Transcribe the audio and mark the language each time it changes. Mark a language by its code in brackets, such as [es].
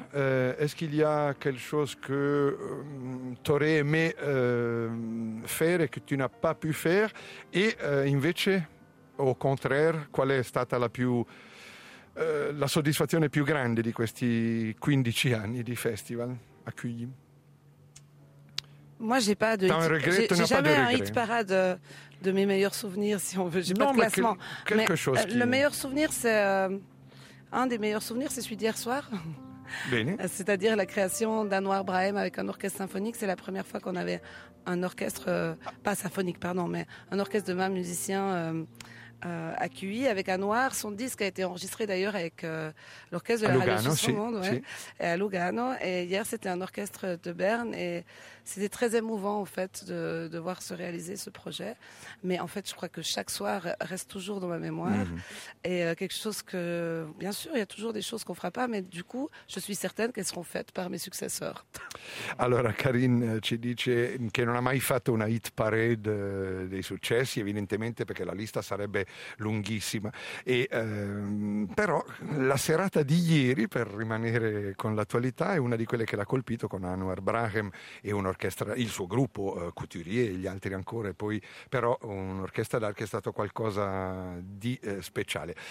[fr] Est-ce qu'il y a quelque chose que t'aurais aimé faire che tu n'as pas pu faire? [it] E invece, [fr] au contraire, [it] qual è stata la soddisfazione più grande di questi 15 anni di festival a Cuy? [fr] Moi, j'ai pas de. J'ai jamais de un hit parade de mes meilleurs souvenirs, si on veut. J'ai pas de classement. Mais quelque chose. Meilleur souvenir, c'est un des meilleurs souvenirs, c'est celui d'hier soir. [it] Bene. [fr] C'est-à-dire la création d'Anouar Brahim avec un orchestre symphonique. C'est la première fois qu'on avait un orchestre pas symphonique, pardon, mais un orchestre de 20 musiciens à QI avec Anouar. Son disque a été enregistré d'ailleurs avec l'orchestre de la Radio Suisse Romande, ouais, et à Lugano. Et hier, c'était un orchestre de Berne. Et c'était très émouvant, en fait, de voir se réaliser ce projet. Mais en fait, je crois que chaque soir reste toujours dans ma mémoire. Mmh. Et quelque chose que, bien sûr, il y a toujours des choses qu'on fera pas, mais du coup, je suis certaine qu'elles seront faites par mes successeurs. [it] Alors, Karine ci dice che non ha mai fatto una hit parade dei successi, evidentemente, perché la lista sarebbe lunghissima. E, però la serata di ieri, per rimanere con l'attualità, è una di quelle che l'ha colpito con Anouar Brahim e un'orchestra, il suo gruppo, Couturier e gli altri ancora, e poi però un'orchestra d'arche è stato qualcosa di speciale.